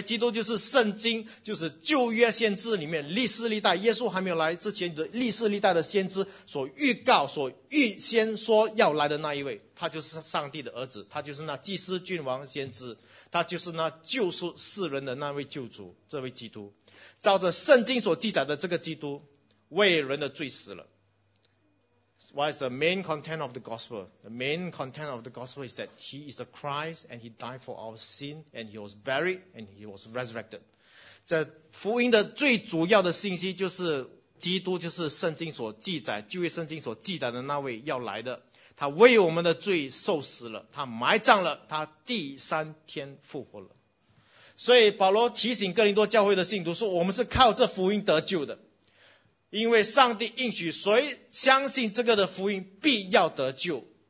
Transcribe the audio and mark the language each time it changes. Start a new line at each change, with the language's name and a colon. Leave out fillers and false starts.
Chinese: 基督就是圣经，就是旧约先知里面历世历代，耶稣还没有来之前的历世历代的先知所预告、所预先说要来的那一位，他就是上帝的儿子，他就是那祭司、君王、先知，他就是那救赎世人的那位救主，这位基督，照着圣经所记载的这个基督，为人的罪死了。
English: What is the main content of the gospel? The main content of the gospel is that he is the Christ and he died for our sin and he was buried and he was resurrected.
Chinese: 这福音的最主要的信息就是基督，就是圣经所记载、旧约圣经所记载的那位要来的。他为我们的罪受死了，他埋葬了，他第三天复活了。所以保罗提醒哥林多教会的信徒说，我们是靠这福音得救的，因为上帝应许谁相信这个的福音必要得救。